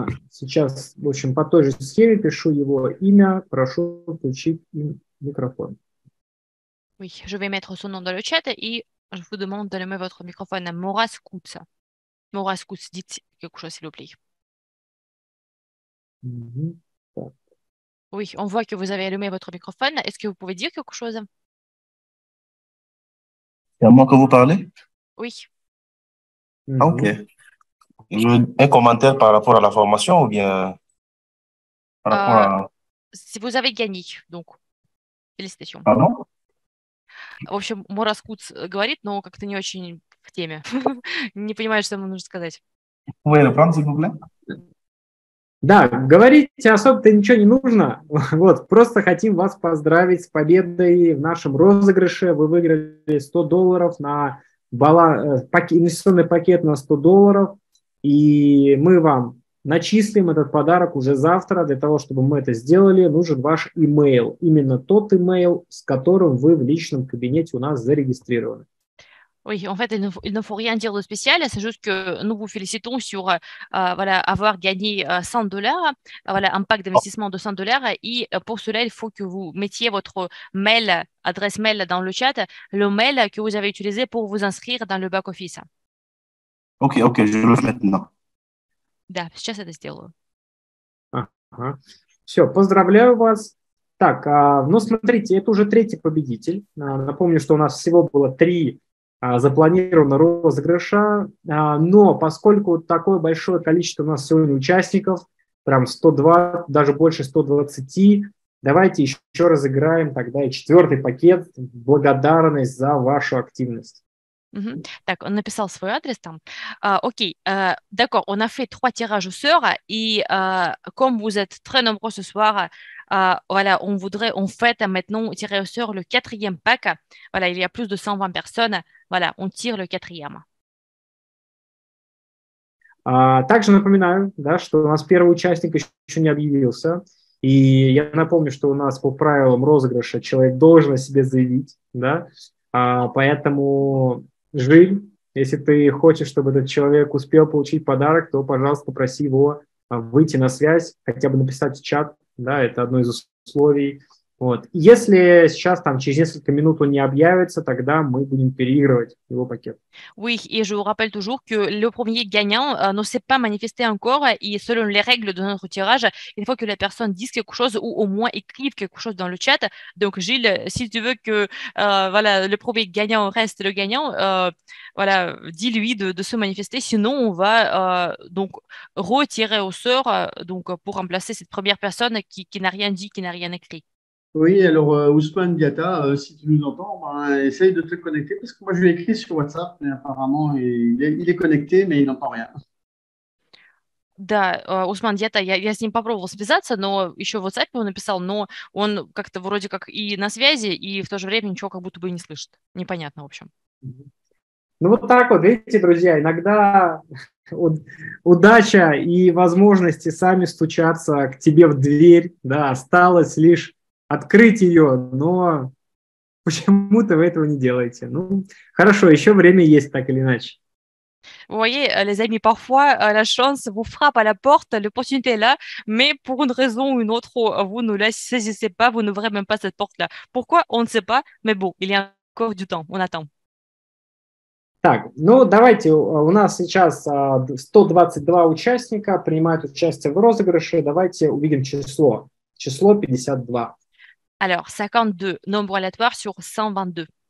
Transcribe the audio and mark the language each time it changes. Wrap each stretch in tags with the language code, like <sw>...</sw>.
<ru>Сейчас, в общем, по той же схеме пишу его имя. Прошу включить микрофон.</ru> <fr>Oui, je vais mettre son nom dans le chat et je vous demande d'allumer votre microphone à Maurice Kutz. Maurice Kutz, dites quelque chose, s'il vous plaît. Oui, on voit que vous avez allumé votre microphone. Est-ce que vous pouvez dire quelque chose? C'est à moi que vous parlez? Oui. Ah, ok. Un commentaire par rapport à la formation ou bien par rapport à... Si vous avez gagné, donc, félicitations. Pardon?</fr> <ru>В общем, Мурас Куц говорит, но как-то не очень в теме. Не понимаю, что ему нужно сказать. Да, говорить особо-то ничего не нужно. Вот, просто хотим вас поздравить с победой в нашем розыгрыше. Вы выиграли $100 на инвестиционный пакет на $100. И мы вам начислим этот подарок уже завтра. Для того, чтобы мы это сделали, нужен ваш имейл. Именно тот имейл, с которым вы в личном кабинете у нас зарегистрированы.</ru> <fr>Oui, en fait, il ne faut rien dire de spécial. C'est juste que nous vous félicitons sur voilà, avoir gagné $100, voilà, un pack d'investissement de $100. Et pour cela, il faut que vous mettiez votre mail, adresse mail dans le chat, le mail que vous avez utilisé pour vous inscrire dans le back office. Ok, ok, je le fais maintenant.</fr> <ru>Да, сейчас это сделаю. Ага. Все, поздравляю вас. Так, ну смотрите, это уже третий победитель. Напомню, что у нас всего было три запланированных розыгрыша. Но поскольку такое большое количество у нас сегодня участников, прям 120, даже больше 120, давайте еще разыграем тогда и четвертый пакет в благодарность за вашу активность. Mm-hmm. Так, он написал свой адрес там.</ru> <fr>Окей, d'accord, on a fait trois tirages au sort, et comme vous êtes très nombreux ce soir, voilà, on fait maintenant tirer au sort le quatrième pack. Voilà, il y a plus de 120 personnes, voilà, on tire le quatrième.</fr> <ru>Также напоминаю, да, что у нас первый участник еще не объявился, и я напомню, что у нас по правилам розыгрыша человек должен о себе заявить, да, поэтому Жиль, если ты хочешь, чтобы этот человек успел получить подарок, то, пожалуйста, попроси его выйти на связь, хотя бы написать в чат, да, это одно из условий, Вот. Если сейчас там через несколько минут он не объявится, тогда мы будем переигрывать его пакет.</ru> <fr>Oui, et je vous rappelle toujours que le premier gagnant ne s'est pas manifesté encore et selon les règles de notre tirage, il faut que la personne dise quelque chose ou au moins écrive quelque chose dans le chat. Donc Gilles, si tu veux que voilà, le premier gagnant reste le gagnant, voilà, dis-lui de se manifester, sinon on va donc retirer au sort donc pour remplacer cette première personne qui n'a rien dit, qui n'a rien écrit. Oui, alors Ousmane Diatta, si tu nous entends, bah, essaye de te connecter parce que moi je l'ai écrit sur WhatsApp, mais apparemment il est connecté, mais il n'entend rien.</fr> <ru>Да, Усман Диатта, я с ним попробовал связаться, но еще в WhatsApp он написал, но он как-то вроде как и на связи, и в то же время ничего как будто бы не слышит. Непонятно, в общем. Ну вот так вот, видите, друзья, иногда удача и возможности сами стучаться к тебе в дверь, да, осталось лишь открыть ее, но почему-то вы этого не делаете. Ну, хорошо, еще время есть, так или иначе.</ru> <fr>Voyez, les amis, parfois la chance vous frappe à la porte, l'opportunité est là, mais pour une raison ou une autre, vous ne la saisissez pas, vous n'ouvrez même pas cette porte-là. Pourquoi? On ne sait pas, mais bon, il y a encore du temps, on attend.</fr> <ru>Так, ну давайте, у нас сейчас 122 участника принимают участие в розыгрыше, давайте увидим число. Число 52.</ru> <fr>Alors, 52, nombre aléatoire sur 122.</fr>